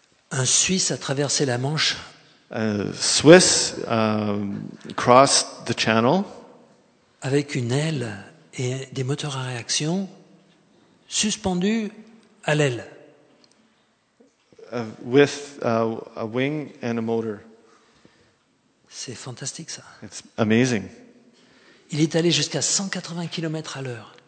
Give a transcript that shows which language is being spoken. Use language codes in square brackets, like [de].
[fr] Un Suisse a traversé la Manche. [en] A Swiss crossed the channel [fr] avec une aile et des moteurs à réaction suspendus à l'aile. [en] With a wing and a motor. [fr] C'est fantastique ça. [en] It's amazing. [fr] Il est allé jusqu'à 180 km à l'heure.